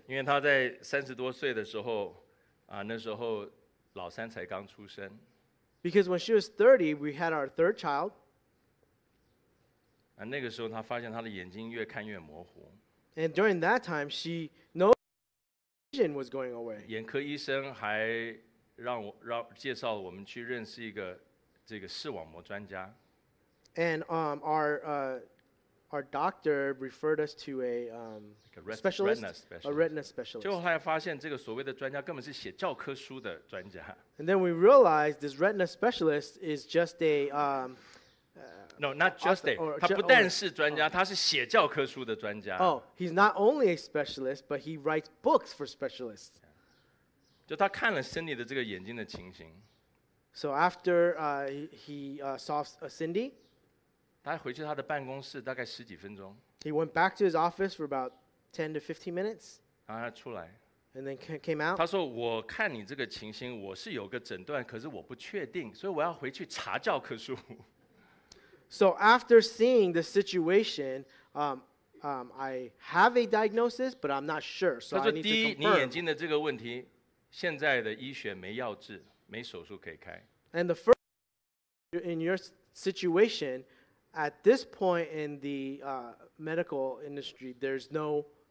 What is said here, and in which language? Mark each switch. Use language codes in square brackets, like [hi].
[zh] 因为他在三十多岁的时候那时候老三才刚出生。 [en] Because when she was 30, we had our third child. [zh] 那个时候他发现他的眼睛越看越模糊。 [en] And during that time, she noticed vision was going away. [zh] 眼科医生还让介绍我们去认识一个这个视网膜专家。 [en] And our doctor referred us to a specialist, specialist. [zh] 就后来发现这个所谓的专家根本是写教科书的专家。 [en] And then we realized this retina specialist is just a no, not just a. [zh] 他不但是专家，他是写教科书的专家。 [en] Oh, he's not only a specialist, but he writes books for specialists. [zh] 就他看了 Cindy 的这个眼睛的情形。 [en] So after he saw Cindy. [zh] 他回去他的办公室大概十几分钟。 [en] He went back to his office for about 10 to 15 minutes. [zh] 然后他出来。 [en] And then came out. [zh] 他说我看你这个情形我是有个诊断可是我不确定所以我要回去查教科书。 [en] So after seeing the situation, I have a diagnosis, but I'm not sure. So I need to confirm. [zh] 他说第一你眼睛的这个问题现在的医学没药治没手术可以开。 [en] And the first in your situation,At this point in the medical industry, there's no,